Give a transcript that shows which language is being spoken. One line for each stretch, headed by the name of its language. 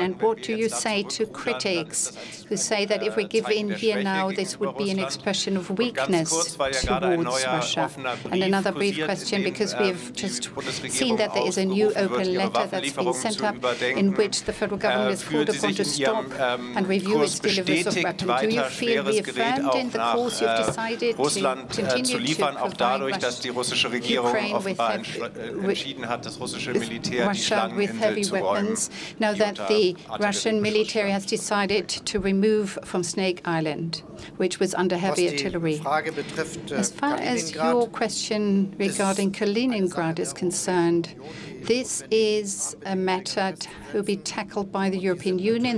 English: And what do you say to critics who say that if we give in here now, this would be an expression of weakness towards Russia? And another brief question, because we have just seen that there is a new open letter that's been sent up in which the federal government is called upon to stop and review its deliveries of weapons. Do you feel reaffirmed in the course you've decided to continue to
German: auch dadurch, dass die russische Regierung offenbar entschieden hat, das russische Militär die Schlangeninsel zu räumen.
English: Now that the Russian military has decided to remove from Snake Island, which was under heavy artillery. As far as your question regarding Kaliningrad is concerned, this is a matter to be tackled by the European Union.